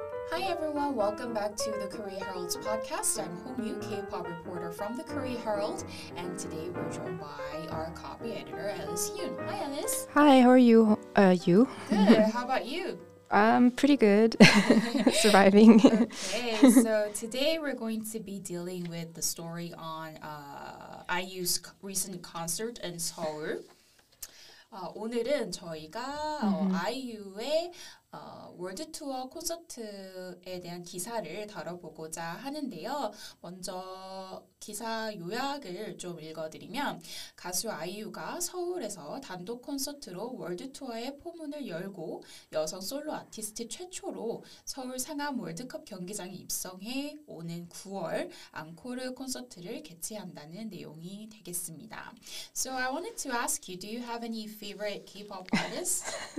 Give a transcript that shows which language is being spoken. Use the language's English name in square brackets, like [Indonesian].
[English] Hi everyone, welcome back to the Korea Herald's podcast. I'm Hong Yu, K-pop reporter from the Korea Herald, and today we're joined by our copy editor, Alice Yoon. Hi Alice. Hi, how are you? Good, how about you? Pretty good. Surviving. Okay, so today we're going to be dealing with the story on IU's recent concert in Seoul. [Korean] 오늘은 저희가 IU의 월드투어 콘서트에 대한 기사를 다뤄보고자 하는데요. 먼저 기사 요약을 좀 읽어드리면 가수 아이유가 서울에서 단독 콘서트로 월드투어의 포문을 열고 여성 솔로 아티스트 최초로 서울 상암 월드컵 경기장에 입성해 오는 9월 앙코르 콘서트를 개최한다는 내용이 되겠습니다. [English] So I wanted to ask you, do you have any favorite K-pop artists?